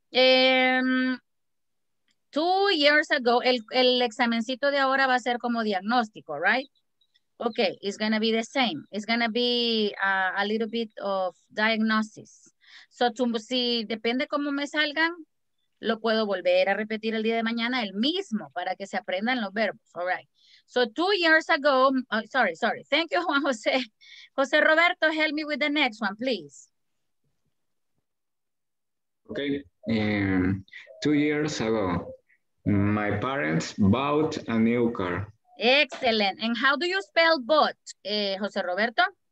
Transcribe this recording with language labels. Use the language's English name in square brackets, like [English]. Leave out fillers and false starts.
[English] 2 years ago, [Spanish] el examencito de ahora va a ser como diagnóstico, [English] right? Okay, it's going to be the same. It's going to be a little bit of diagnosis. So, [Spanish] si depende cómo me salgan, lo puedo volver a repetir el día de mañana el mismo para que se aprendan los verbos, [English] all right? So, 2 years ago, sorry. Thank you, Juan José. José Roberto, help me with the next one, please. Okay, 2 years ago. My parents bought a new car. Excellent. And how do you spell bought, José Roberto?